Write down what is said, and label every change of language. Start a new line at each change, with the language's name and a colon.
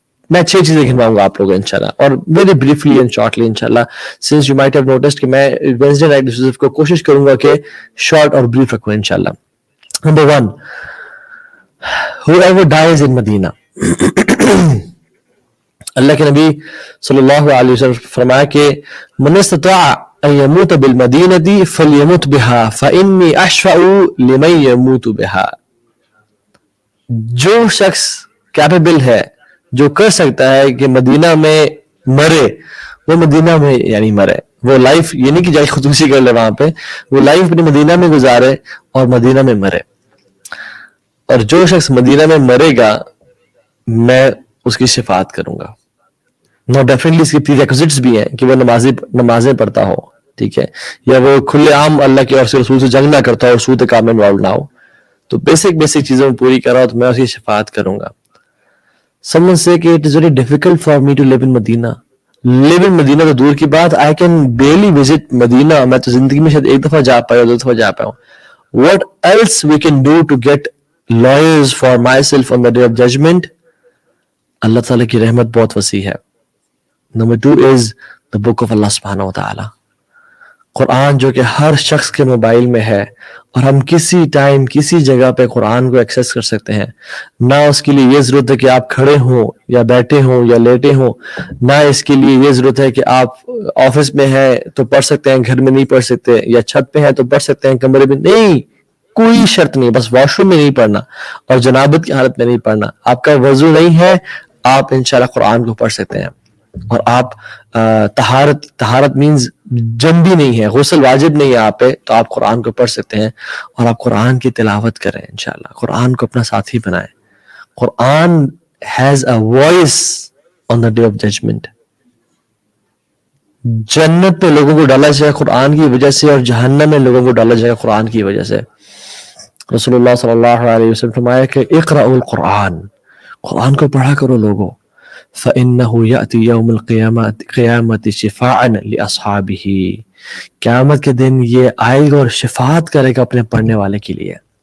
Urdu: میں چھ چیزیں گنواؤں گا آپ لوگ ان شاء اللہ اور
English: very briefly and shortly
Urdu: ان شاء اللہ
English: since you might have noticed
Urdu: کہ میں وینسڈے نائٹ ڈسکشن کو کوشش کروں گا کہ شارٹ اور بریف رکھوں ان شاء اللہ.
English: number one whoever dies in
Urdu: مدینہ اللہ کے نبی صلی اللہ علیہ وسلم فرمایا کہ
Arabic: من استطاع أن يموت بالمدينة دي فليموت بها فإني أشفع لمن يموت بها.
Urdu: جو شخص capable ہے جو کر سکتا ہے کہ مدینہ میں مرے وہ مدینہ میں یعنی مرے وہ لائف یہ نہیں کہ جائے خصوصی کر لے وہاں پہ وہ لائف اپنی مدینہ میں گزارے اور مدینہ میں مرے اور جو شخص مدینہ میں مرے گا میں اس کی شفاعت کروں گا.
English: no definitely
Urdu: اس کے پری ریکوزٹس بھی ہیں کہ وہ نمازیں پڑھتا ہو ٹھیک ہے یا وہ کھلے عام اللہ کے اور سے رسول سے جنگ نہ کرتا ہو سود کام میں انوالو نہ ہو تو بیسک چیزوں میں پوری کر رہا ہو تو میں اس کی شفاعت کروں گا.
English: Someone say کہ it is very difficult for me to live in Medina. Live in Medina
Urdu: تو دور کی بات.
English: I can barely visit Medina.
Urdu: میں تو زندگی میں شاید ایک دفعہ جا پایا دو دفعہ جا پایا ہوں.
English: What else we can do to get lawyers for myself on the day of judgment?
Urdu: اللہ تعالیٰ کی رحمت بہت وسیع ہے.
English: Number two is the book of Allah
Arabic: سبحانہ وتعالی.
Urdu: قرآن جو کہ ہر شخص کے موبائل میں ہے اور ہم کسی ٹائم کسی جگہ پہ قرآن کو ایکسس کر سکتے ہیں. نہ اس کے لیے یہ ضرورت ہے کہ آپ کھڑے ہوں یا بیٹھے ہوں یا لیٹے ہوں. نہ اس کے لیے یہ ضرورت ہے کہ آپ آفس میں ہیں تو پڑھ سکتے ہیں گھر میں نہیں پڑھ سکتے یا چھت پہ ہیں تو پڑھ سکتے ہیں کمرے میں نہیں. کوئی شرط نہیں. بس واش روم میں نہیں پڑھنا اور جنابت کی حالت میں نہیں پڑھنا. آپ کا وضو نہیں ہے آپ انشاءاللہ قرآن کو پڑھ سکتے ہیں. اور آپ طہارت مینز جنبی نہیں ہے غسل واجب نہیں ہے آپ پہ تو آپ قرآن کو پڑھ سکتے ہیں اور آپ قرآن کی تلاوت کریں انشاءاللہ. قرآن کو اپنا ساتھی بنائیں.
English: قرآن has a voice on the day of judgment.
Urdu: جنت میں لوگوں کو ڈالا جائے گا قرآن کی وجہ سے اور جہنم میں لوگوں کو ڈالا جائے گا قرآن کی وجہ سے. رسول اللہ صلی اللہ علیہ وسلم فرمایا کہ
Arabic: اقرأوا القرآن
Urdu: قرآن کو پڑھا کرو لوگو.
Arabic: فَإِنَّهُ يَأْتِ يَوْمُ الْقِيَامَةِ شِفَاعًا لِأَصْحَابِهِ
Urdu: قیامت کے دن یہ آئے گا اور شفاعت کرے گا اپنے پڑھنے والے کے لیے.